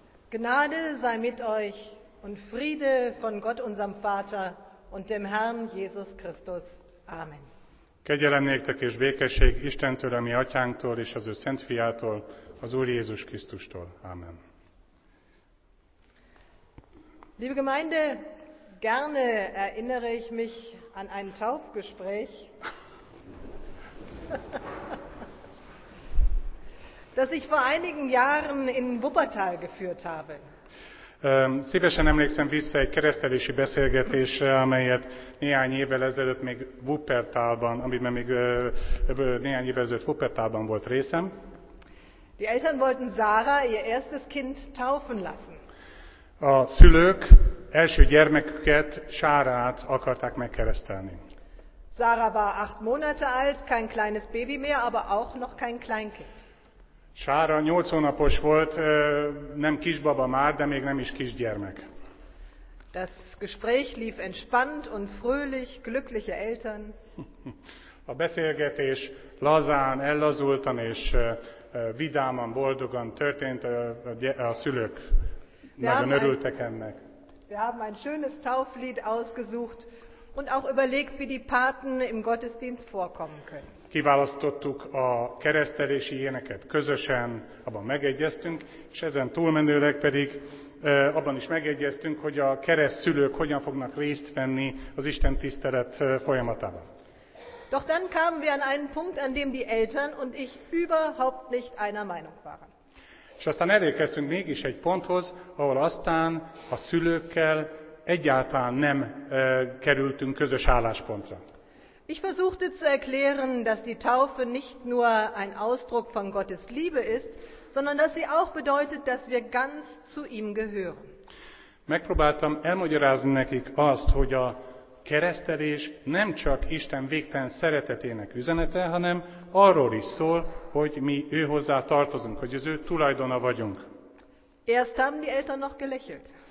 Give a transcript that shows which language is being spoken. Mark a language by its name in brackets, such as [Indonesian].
[German] Gnade sei mit euch und Friede von Gott, unserem Vater und dem Herrn Jesus Christus. Amen. [Hungarian] Kegyelem néktek és békesség Istentől, a mi atyánktól, és az ő szent fiától, az Úr Jézus Krisztustól. Amen. [German] Liebe Gemeinde, gerne erinnere ich mich an ein Taufgespräch, das ich vor einigen Jahren in Wuppertal geführt habe. [Hungarian] Szívesen emlékszem vissza egy keresztelési beszélgetésre, amelyet néhány évvel ezelőtt még Wuppertalban, amiben még néhány évvel ezelőtt Wuppertalban volt részem. [German] Die Eltern wollten Sarah, ihr erstes Kind, taufen lassen. [Hungarian] A szülők első gyermeküket, Sárát akarták megkeresztelni. [German] Sarah war 8 Monate alt, kein kleines Baby mehr, aber auch noch kein Kleinkind. [Hungarian] Sára 8 hónapos volt, nem kisbaba már, de még nem is kisgyermek. [German] Das Gespräch lief entspannt und fröhlich, glückliche Eltern. [Hungarian] A beszélgetés lazán, ellazultan és vidáman, boldogan történt, a szülők nagyon örültek ennek. [German] Wir haben ein schönes Tauflied ausgesucht und auch überlegt, wie die Paten im Gottesdienst vorkommen können. [Hungarian] Kiválasztottuk a keresztelési éneket közösen, abban megegyeztünk, és ezen túlmenőleg pedig abban is megegyeztünk, hogy a keresztszülők hogyan fognak részt venni az Isten tisztelet folyamatában. [German] Doch dann kamen wir an einen Punkt, an dem die Eltern und ich überhaupt nicht einer Meinung waren. [Hungarian] És aztán elérkeztünk mégis egy ponthoz, ahol aztán a szülőkkel egyáltalán nem kerültünk közös álláspontra. [German] Ich versuchte zu erklären, dass die Taufe nicht nur ein Ausdruck von Gottes Liebe ist, sondern dass sie auch bedeutet, dass wir ganz zu ihm gehören. [Hungarian] Megpróbáltam elmagyarázni nekik azt, hogy a keresztelés nem csak Isten végtelen szeretetének üzenete, hanem arról is szól, hogy mi őhozzá tartozunk, hogy az ő tulajdona vagyunk. [German] Erst haben die Eltern noch gelächelt.